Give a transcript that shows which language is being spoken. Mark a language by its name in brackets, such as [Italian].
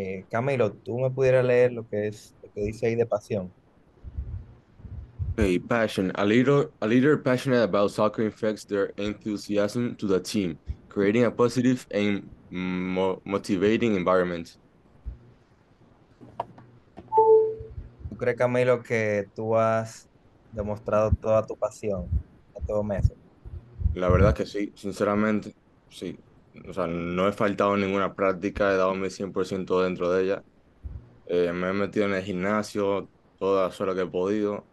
[Spanish] Camilo, ¿tú me pudieras leer lo que dice ahí de pasión? [English] Hey, passion. A leader passionate about soccer infects their enthusiasm to the team, creating a positive and motivating environment. [Spanish] ¿Tú crees, Camilo, que tú has demostrado toda tu pasión estos meses? La verdad que sí, sinceramente, sí. O sea, no he faltado ninguna práctica, he dado mi 100% dentro de ella. Me he metido en el gimnasio, todo eso lo que he podido.